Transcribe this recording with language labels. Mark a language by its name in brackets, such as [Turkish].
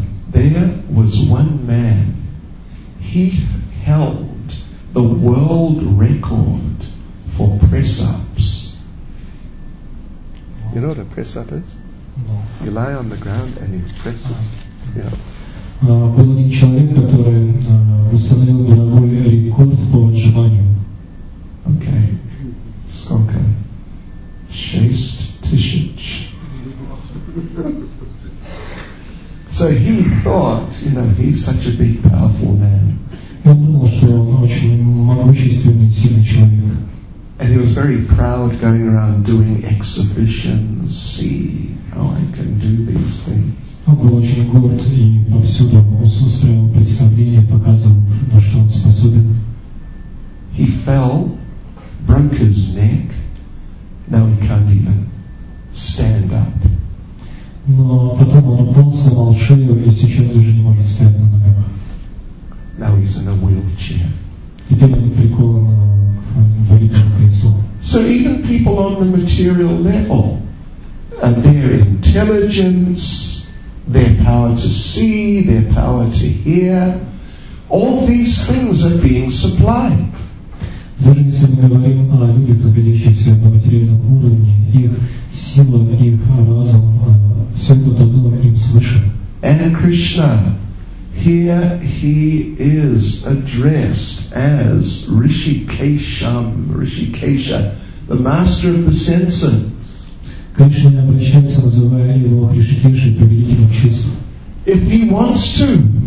[English] There was one man, he held the world record for press-ups. You know what a press-up is? No. You lie on the ground and you press it. [Russian] Был один человек, который установил мировой рекорд по отжиманию. Okay. Сколько? 6000. [English] So he thought, you know, he's such a big, powerful man. [Russian] Я думал, что он очень могущественный, сильный человек. [English] And he was very proud going around doing exhibitions, see how I can do these things. [Russian] Он был очень горд и повсюду устраивал представления, показывал, на что он способен. [English] He fell, broke his neck, now he can't even stand up. [Russian] Но потом он упал, сломал шею и сейчас уже не может стоять на ногах. [English] Now he's in a wheelchair. [Russian] Теперь он прикован к инвалидному креслу. [English] So even people on the material level, their intelligence, their power to see, their power to hear, all these things are being supplied. [Russian] Даже если мы говорим о людях, находящихся на материальном уровне, их сила, их разум, все это дано им свыше. [English] And Krishna. Here he is addressed as Rishikesham, Rishikesha, the master of the senses. If he wants to,